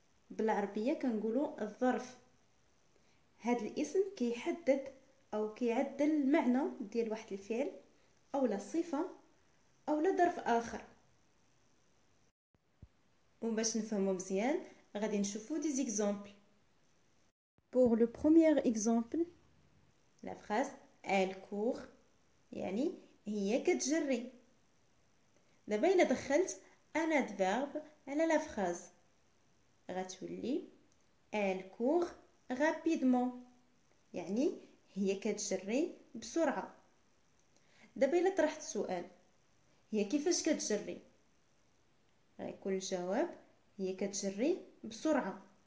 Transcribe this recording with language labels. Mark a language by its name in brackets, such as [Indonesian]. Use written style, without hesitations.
[Arabic] بالعربية كنقولو الظرف. هاد الاسم كيحدد او كيعدل المعنى ديال واحد الفعل او لصفة او لظرف اخر. وباش نفهمو مزيان غادي نشوفو دي زيكزامبل. [French] Pour le premier exemple, la phrase elle court, [Arabic] يعني هي كتجري. دابا الى دخلت ان ادفيرب على لا فراز غتولي [French] elle court rapidement, [Arabic] يعني هي كتجري بسرعه. دابا الى طرحت سؤال هي كيفاش كتجري، غيكون الجواب هي كتجري بسرعه.